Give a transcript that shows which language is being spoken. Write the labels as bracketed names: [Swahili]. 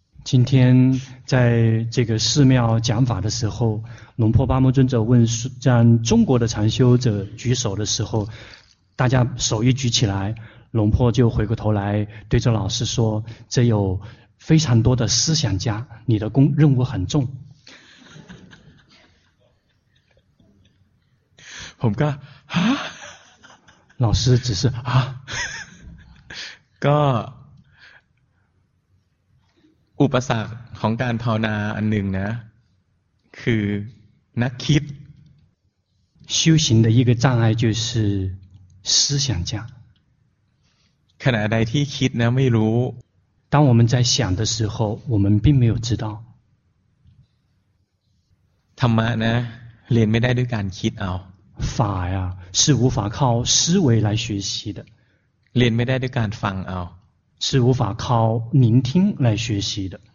[Chinese] 今天在这个寺庙讲法的时候龙婆巴摩尊者问让中国的禅修者举手的时候大家手一举起来龙婆就回过头来对着老师说这有非常多的思想家你的工任务很重 [Thai] ผมก็ฮะ [Chinese] 老师只是啊 [Thai] ก็อุปสรรคของการภาวนาอันหนึ่งนะคือนักคิด [Chinese] 修行的一个障碍就是思想家 [Thai] ขณะใดที่คิดนะไม่รู้ [Chinese] 当我们在想的时候我们并没有知道 [Thai] ธรรมะนะเรียนไม่ได้ด้วยการคิดเอา [Chinese] 法呀是无法靠思维来学习的 [Thai] เรียนไม่ได้ด้วยการฟังเอา [Chinese] 是无法靠聆听来学习的